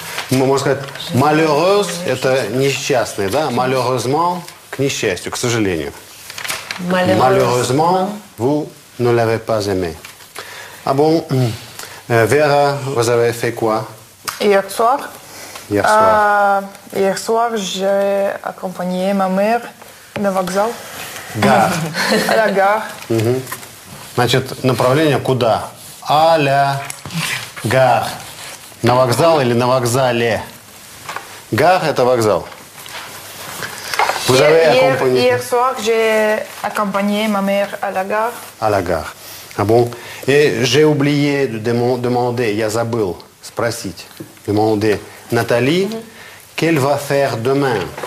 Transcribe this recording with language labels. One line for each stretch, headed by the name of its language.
Russian: Можно сказать, malheureuse, это несчастный, да? Malheureusement, к несчастью, к сожалению.
French: Malheureusement, vous... Ne l'avez pas aimé. Ah bon, Vera, vous avez fait quoi? Hier soir. Hier soir. Hier soir, j'ai accompagné ma mère
Russian: на вокзал.
French: Gare. La gare.
Russian: Значит, направление куда?
French: À la gare.
Russian: На вокзал или на вокзале? Gare – это вокзал.
French: Vous avez accompagné... Hier soir, j'ai accompagné ma mère à la gare. À la gare. Ah bon? Et j'ai oublié de demander,
Russian: я забыл спросить,
French: demander Nathalie, qu'elle va faire demain?